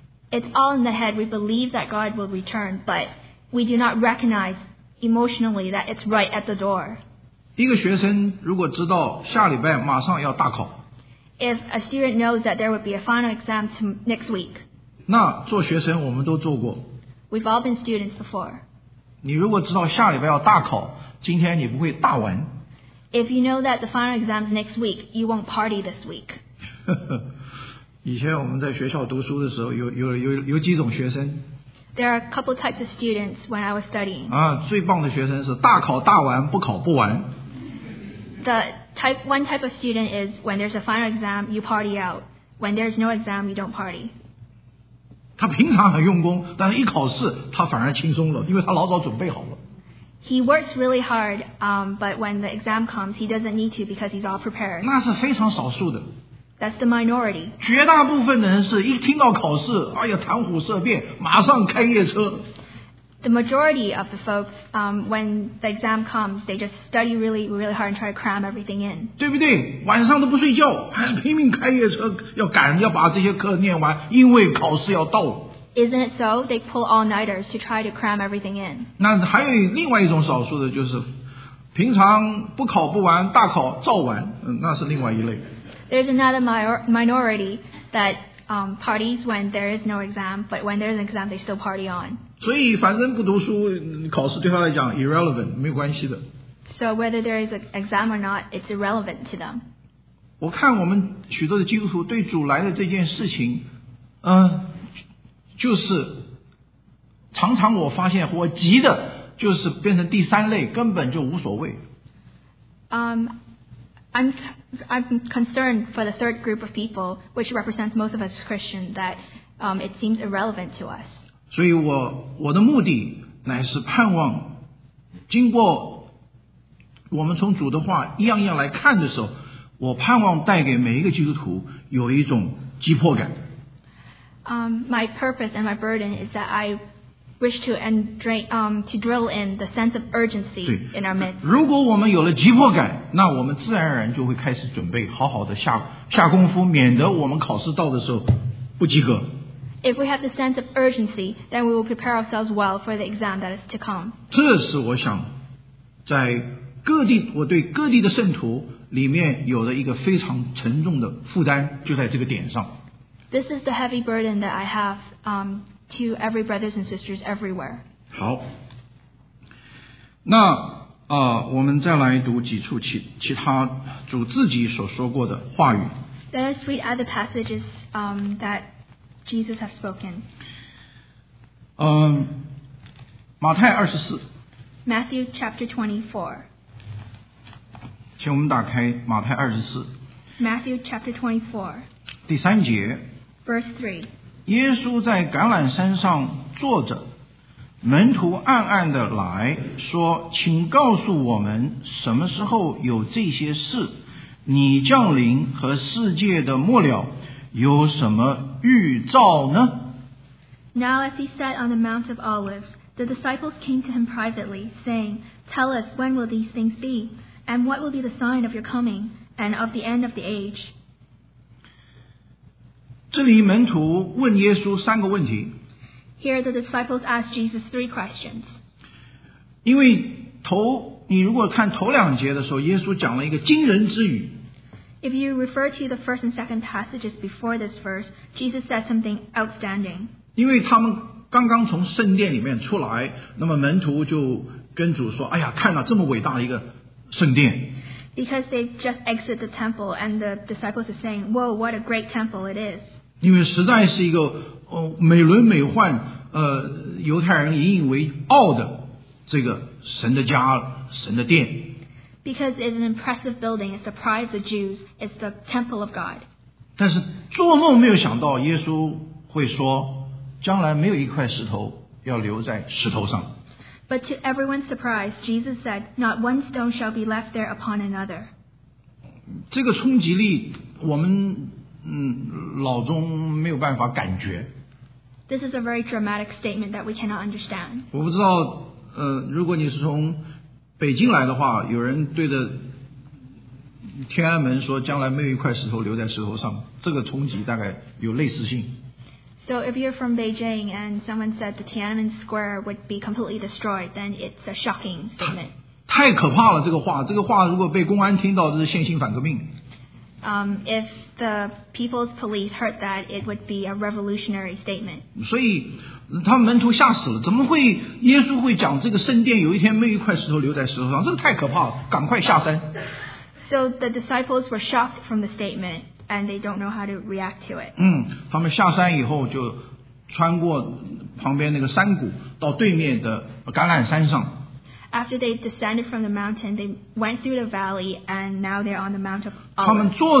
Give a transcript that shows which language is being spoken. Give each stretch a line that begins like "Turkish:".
English: It's all in the head. We believe that God will return, but we do not recognize emotionally that it's right at the door.
Chinese: 一个学生如果知道下礼拜马上要大考，
English: If a student knows that there would be a final exam next week,
Chinese: 那做学生我们都做过。
English: We've all been students before.
Chinese: 你如果知道下礼拜要大考，今天你不会大玩。
English: If you know that the final exam is next week, you won't party this week.
Chinese: 以前我们在学校读书的时候，有几种学生。
English: There are a couple types of students when I was studying.
Chinese: 啊，最棒的学生是大考大玩，不考不玩。
English: One type of student is when there's a final exam, you party out. When there's no exam, you don't party.
Chinese: 他平常很用功，但是一考试他反而轻松了，因为他老早准备好了。
English: He works really hard, but when the exam comes, he doesn't need to because he's all prepared.
Chinese: 那是非常少数的。
English: That's the minority.
Chinese: 绝大部分的人是一听到考试，哎呀，谈虎色变，马上开夜车。
English: The majority of the folks, when the exam comes, they just study really, really hard and try to cram everything in.
Chinese: 对不对？晚上都不睡觉，还拼命开夜车，要赶，要把这些课念完，因为考试要到了。
English: Isn't it so? They pull all-nighters to try to cram everything in.
Chinese: 那还有另外一种少数的就是平常不考不玩大考照玩，那是另外一类。
English: There's another minority that parties when there is no exam, but when there is an exam, they still party on.
Chinese: 所以反正不读书考试对他来讲
English: irrelevant,
Chinese: 没有关系的。
English: So whether there is an exam or not, it's irrelevant to them.
Chinese: 我看我们许多的基督徒对主来的这件事情就是常常我发现我急的就是变成第三类根本就无所谓。
English: I'm concerned for the third group of people, which represents most of us Christian, that it seems irrelevant to us.
Chinese: 所以我的目的乃是盼望经过我们从主的话一样一样来看的时候，我盼望带给每一个基督徒有一种急迫感。
English: My purpose and my burden is that I wish to drill in the sense of urgency in our midst.
Chinese: 如果我们有了急迫感，那我们自然而然就会开始准备好好的下功夫，免得我们考试到的时候不及格。
English: If we have the sense of urgency, then we will prepare ourselves well for the exam that is to come.
Chinese: 这是我想在各地，我对各地的圣徒里面有了一个非常沉重的负担，就在这个点上。
English: This is the heavy burden that I have to every brothers and sisters everywhere.
Chinese: 好，那我们再来读几处其他主自己所说过的话语。
English: Let us read other passages that Jesus has spoken.
Chinese: 马太二十四。
English: Matthew chapter 24.
Chinese: 请我们打开马太二十四。
English: Matthew chapter 24.
Chinese: 第三节。
English: Verse 3.
Chinese: 耶稣在橄榄山上坐着，门徒暗暗地来说，请告诉我们什么时候有这些事，你降临和世界的末了有什么预兆呢？
English: Now as he sat on the Mount of Olives, the disciples came to him privately, saying, Tell us, when will these things be? And what will be the sign of your coming and of the end of the age?
Chinese: 这里门徒问耶稣三个问题。
English: Here the disciples ask Jesus three questions.
Chinese: 因为你如果看头两节的时候，耶稣讲了一个惊人之语。
English: If you refer to the first and second passages before this verse, Jesus said something outstanding.
Chinese: 因为他们刚刚从圣殿里面出来，那么门徒就跟主说：“哎呀，看了这么伟大的一个圣殿。”
English: Because they just exit the temple, and the disciples are saying, "Whoa, what a great temple it is!"
Chinese: 因为实在是一个美轮美奂，犹太人引以为傲的这个神的家，神的殿。
English: Because it's an impressive building, it's the pride of the Jews, it's the temple of God.
Chinese: 但是做梦没有想到耶稣会说，将来没有一块石头要留在石头上。
English: But to everyone's surprise, Jesus said, not one stone shall be left there upon another.
Chinese: 这个冲击力我们脑中没有办法感觉。
English: This is a very dramatic statement that we cannot understand.
Chinese: 我不知道如果你是从北京来的话，有人对着天安门说将来没有一块石头留在石头上，这个冲击大概有类似性。
English: So if you're from Beijing and someone said the Tiananmen Square would be completely destroyed, then it's a shocking statement.
Chinese: 太可怕了, 这个话, 这个话如果被公安听到, 这是现行反革命。
English: If the people's police heard that, it would be a revolutionary statement.
Chinese: 所以他们门徒吓死了, 怎么会耶稣会讲这个圣殿有一天没有一块石头留在石头上, 这个太可怕了, 赶快下山。
English: So the disciples were shocked from the statement, and they don't know how to react to it.
Chinese: 他们下山以后就穿过旁边那个山谷到对面的橄榄山上。
English: After they descended from the mountain, they went through the valley, and now they're on the Mount of Olives.